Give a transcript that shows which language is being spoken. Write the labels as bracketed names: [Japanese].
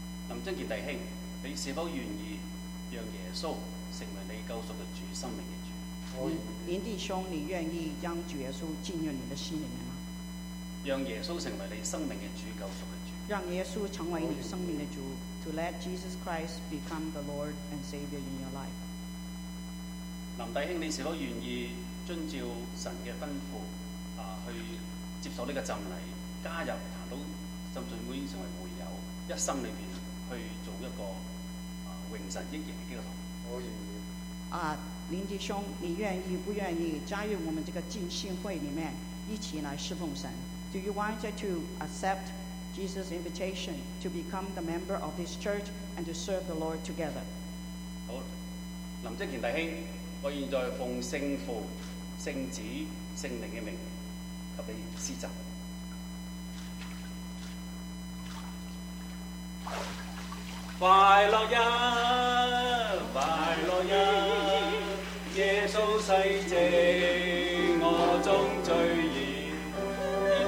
[Chinese] 林征乾弟兄，你是否愿意让耶稣成为你救赎的主、生命的主？林弟兄，你愿意将主耶稣进入你的心里面吗？让耶稣成为你生命的主，救赎的主。让耶稣成为你生命的主。 [English] To let Jesus Christ become the Lord and Savior in your life. [Chinese] 林弟兄，你是否愿意遵照神的吩咐，去接受这个浸礼，加入谈到浸信会成为会友，一生里面去做一个荣神益人的基督徒？我愿意。林弟兄，你愿意不愿意加入我们这个浸信会里面，一起来侍奉神？ [English] Do you want to accept Jesus' invitation to become the member of this church and to serve the Lord together? [Chinese] 好，林征乾弟兄，我现在奉圣父、圣子、圣灵的名，给你施浸。快乐日，快乐日，耶稣洗净我中罪孽。